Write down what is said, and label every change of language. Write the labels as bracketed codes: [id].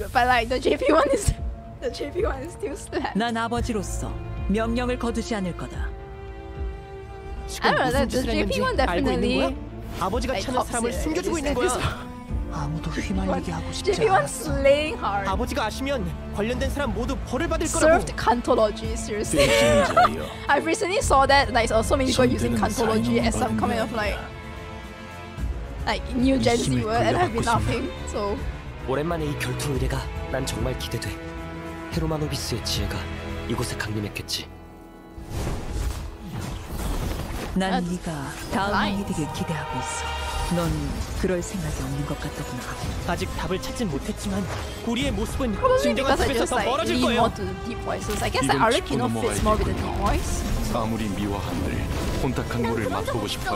[en] But like the JP one is still slapped. [ko] 난 아버지로서 명령을 거두지 않을 거다. [en] I don't know. The JP one definitely. [ko] 아버지가 찾는 사람을 숨겨주고 있는 거야. 아무도 휘말리게 하고 싶지 않아. [en] JP one slaying hard. [ko] 아버지가 아시면 관련된 사람 모두 벌을 받을 거라고. [en] Served cantology, seriously. I recently saw that like also many people using cantology as some kind of like new Gen Z word, and I've been laughing. So. [ko] 오랜만에 이 결투 의뢰가 난 정말 기대돼. 헤로마노비스의 지혜가 이곳에 강림했겠지. 난 네가 다음 왕이 되길 기대하고 있어. 넌 그럴 생각이 없는 것 같더구나. 아직 답을 찾진 못했지만 우리의 모습은 진정한 집에서 더 멀어질 [en] like [ko] 거예요. [en] Deep voices. I guess Arlecchino fits more with the deep voice. [ko] 아무리 미워한들 혼탁한 물을 맛보고 싶어